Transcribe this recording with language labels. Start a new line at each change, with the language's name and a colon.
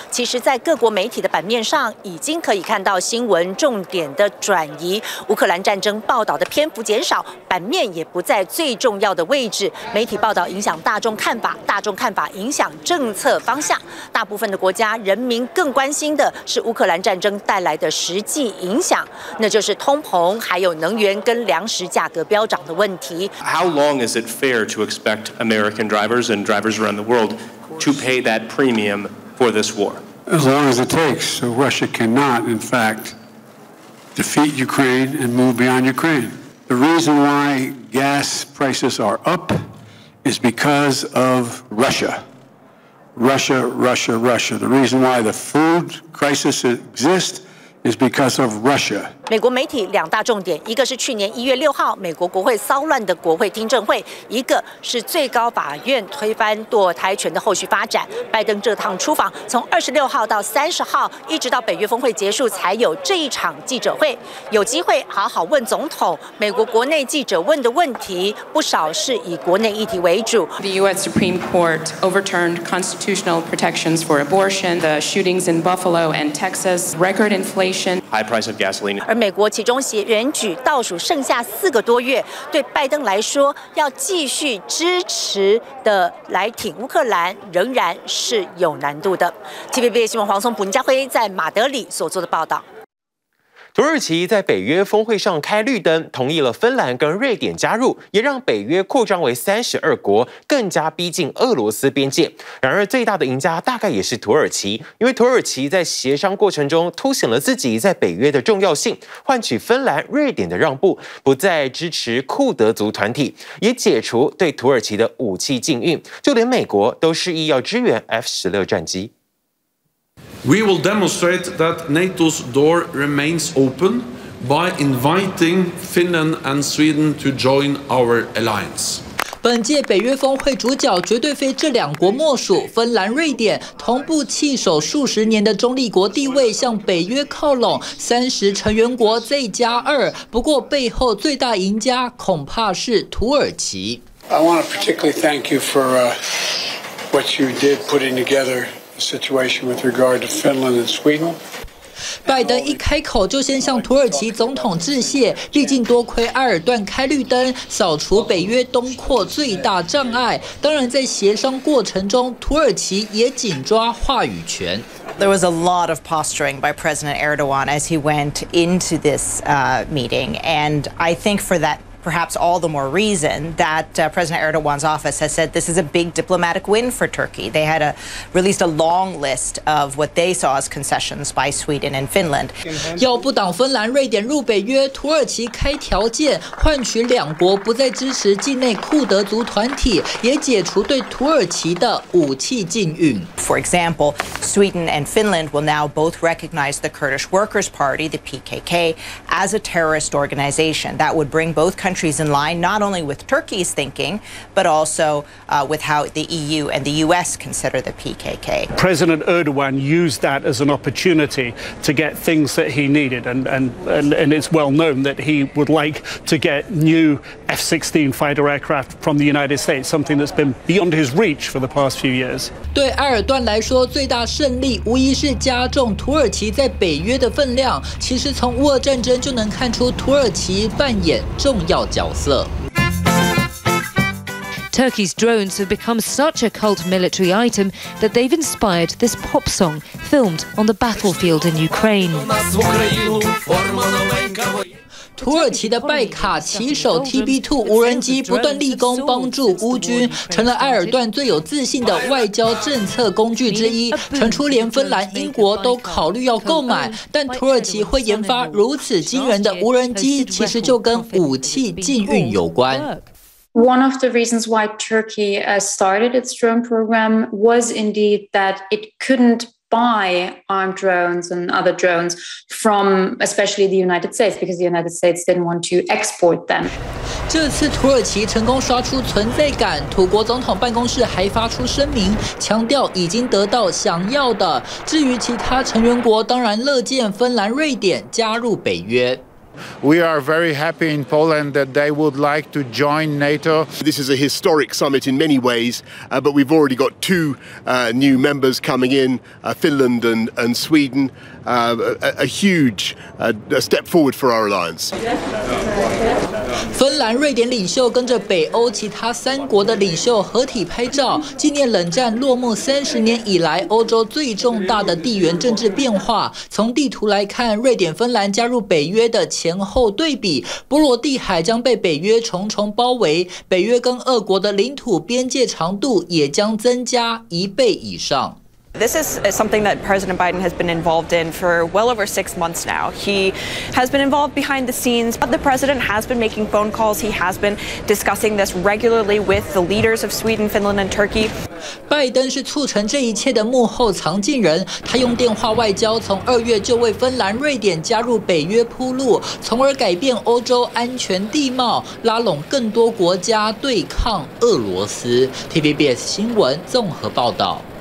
Chinese: 其实在各国媒体的版面上已经可以看到新闻重点的转移，乌克兰战争报道的篇幅减少，版面也不在最重要的位置。媒体报道影响大众看法，大众看法影响政策方向，大部分的国家人民更关心的是乌克兰战争带来的实际影响，那就是通膨，还有能源跟粮食价格飙涨的问题。
English: How long is it fair to expect American drivers and drivers around the world to pay that premium for this war? As long as it takes, so Russia cannot, in fact, defeat Ukraine and move beyond Ukraine. The reason why gas prices are up is because of Russia. Russia, Russia, Russia. The reason why the food crisis exists is because of Russia.
Chinese: 美国媒体两大重点，一个是去年1月6号美国国会骚乱的国会听证会，一个是最高法院推翻堕胎权的后续发展。拜登这趟出访，从26号到30号，一直到北约峰会结束，才有这一场记者会，有机会好好问总统。美国国内记者问的问题不少是以国内议题为主。
English: The U.S. Supreme Court overturned constitutional protections for abortion, the shootings in Buffalo and Texas, record inflation, high price of gasoline.
Chinese: 而美国其中选举倒数剩下4个多月，对拜登来说，要继续支持的来挺乌克兰，仍然是有难度的。 TVBS 新闻黄松浦、倪家辉在马德里所做的报道。土耳其在北约峰会上开绿灯，同意了芬兰跟瑞典加入，也让北约扩张为32国，更加逼近俄罗斯边界。然而最大的赢家大概也是土耳其，因为土耳其在协商过程中凸显了自己在北约的重要性，换取芬兰、瑞典的让步，不再支持库德族团体，也解除对土耳其的武器禁运，就连美国都示意要支援 F-16 战机。
English: We will demonstrate that NATO's door remains open by inviting Finland and Sweden to join our alliance.
Chinese: 本届北约峰会主角绝对非这两国莫属，芬兰、瑞典同步弃守数十年的中立国地位向北约靠拢，三十成员国再加二。不过背后最大赢家恐怕是土耳其。
English: I want to particularly thank you for what you did putting together the situation with regard to Finland and Sweden.
Chinese: 拜登一开口就先向土耳其总统致谢，毕竟多亏埃尔段开绿灯，扫除北约东扩最大障碍。当然，在协商过程中，土耳其也紧抓话语权。
English: There was a lot of posturing by President Erdogan as he went into this meeting, and I think for that. Perhaps all the more reason that President Erdogan's office has said this is a big diplomatic win for Turkey. They had released a long list of what they saw as concessions by Sweden and Finland.
Chinese: 要不挡芬兰、瑞典入北约，土耳其开条件，换取两国不再支持境内库德族团体，也解除对土耳其的武器禁运。
English: For example, Sweden and Finland will now both recognize the Kurdish Workers' Party, the PKK, as a terrorist organization. That would bring both. Countries in line not only with Turkey's thinking, but also with how the EU and the US consider the PKK. President Erdogan used that as an opportunity to get things that he needed, and it's well known that he would like to get new F-16 fighter aircraft from the United States, something that's been beyond his reach for the past few years.
Chinese: 对埃尔段来说，最大胜利无疑是加重土耳其在北约的分量。其实从乌俄战争就能看出土耳其扮演重要。
English: Turkey's drones have become such a cult military item that they've inspired this pop song filmed on the battlefield in Ukraine.
Chinese: 土耳其的拜卡骑手 TB2 无人机不断立功，帮助乌军，成了埃尔段最有自信的外交政策工具之一。传出连芬兰、英国都考虑要购买，但土耳其会研发如此惊人的无人机，其实就跟武器禁运有关。
English: One of the reasons why Turkey started its drone program was indeed that it couldn't. Buy armed drones and other drones from, especially the United States, because the United States didn't want to export them.
Chinese: 这次土耳其成功刷出存在感，土国总统办公室还发出声明，强调已经得到想要的。至于其他成员国，当然乐见芬兰、瑞典加入北约。
English: We are very happy in Poland that they would like to join NATO. This is a historic summit in many ways, but we've already got two new members coming in, Finland and Sweden, a huge a step forward for our alliance.
Chinese: 芬兰、瑞典领袖跟着北欧其他三国的领袖合体拍照，纪念冷战落幕三十年以来欧洲最重大的地缘政治变化。从地图来看，瑞典、芬兰加入北约的前后对比，波罗的海将被北约重重包围，北约跟俄国的领土边界长度也将增加一倍以上。
English: This is something that President Biden has been involved in for well over 6 months now. He has been involved behind the scenes, but the president has been making phone calls. He has been discussing this regularly with the leaders of Sweden, Finland, and Turkey.
Chinese: 拜登是促成这一切的幕后藏镜人。他用电话外交从二月就为芬兰、瑞典加入北约铺路，从而改变欧洲安全地貌，拉拢更多国家对抗俄罗斯。 TVBS 新闻综合报道。